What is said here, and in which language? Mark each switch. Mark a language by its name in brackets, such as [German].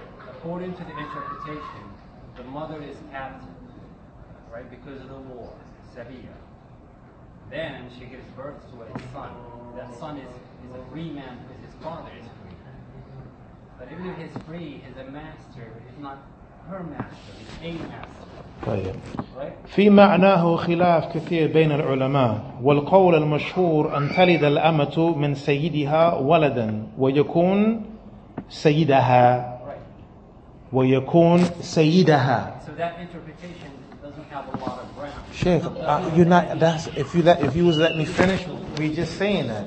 [English] According to the interpretation, the mother is captive, right, because of the war, Sabiya. Then she gives birth to a son. That son is a free man because his father is free. But even if he's free, he's a master, he's not her master, he's a master. [Arabic] طيب. في معناه خلاف كثير بين العلماء والقول المشهور أن تلد الأمة من سيدها ولدا ويكون سيدها ويكون سيدها. [English] So that interpretation doesn't have a lot of ground. Sheikh, you're not. That's if you was let me finish, we're just saying that.